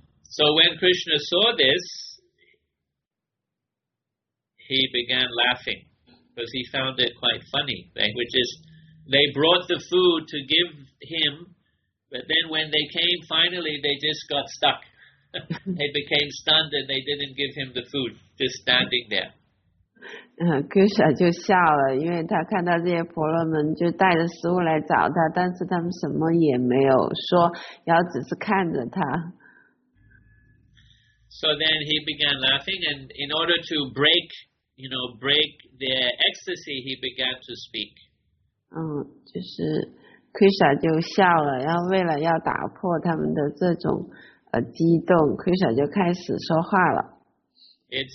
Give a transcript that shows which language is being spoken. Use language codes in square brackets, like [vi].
[en] So when Krishna saw this, he began laughing because he found it quite funny. They brought the food to give him, but then when they came, finally, they just got stuck. They became stunned and they didn't give him the food, just standing there. [zh] Krishna 就笑了，因为他看到这些婆罗门就带着食物来找他， 但是他们什么也没有说，然后只是看着他。 [en] So then he began laughing, and in order to break, you know, break their ecstasy, he began to speak. [zh] 就是 Krishna 就笑了，然后为了要打破他们的这种激动， Krishna 就开始说话了。 [en] It